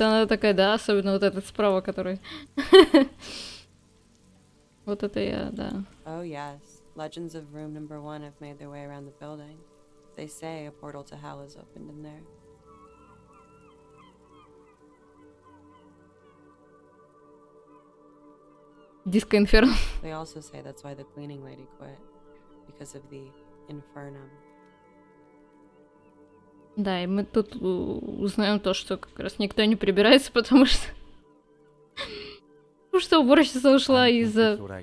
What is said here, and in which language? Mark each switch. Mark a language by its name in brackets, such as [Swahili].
[Russian] Она такая, да, особенно вот этот справа, который... Вот это я, да. О, да. [English] Legends of room number one have made their way around the building. They say a portal to hell has opened in there. Disco Inferno. They also say that's why the cleaning lady quit. Because of the infernum. [Russian] Да, и мы тут узнаем то, что как раз никто не прибирается, потому что... Потому что уборщица ушла из-за...